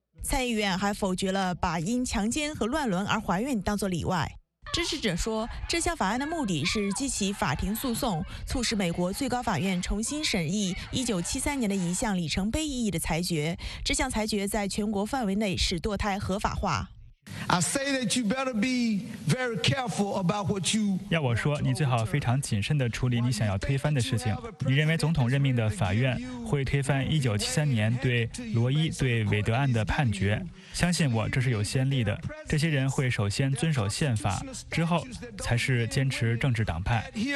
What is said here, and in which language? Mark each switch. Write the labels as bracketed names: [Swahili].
[Chinese] 参议院还否决了把因强奸和乱伦而怀孕当作例外。支持者说，这项法案的目的是激起法庭诉讼，促使美国最高法院重新审议1973年的一项里程碑意义的裁决。这项裁决在全国范围内使堕胎合法化。 [English] I say that you better be very careful about what you. [Chinese] 要我说，你最好非常谨慎地处理你想要推翻的事情。你认为总统任命的法院会推翻1973年对罗伊对韦德案的判决？相信我，这是有先例的。这些人会首先遵守宪法，之后才是坚持政治党派。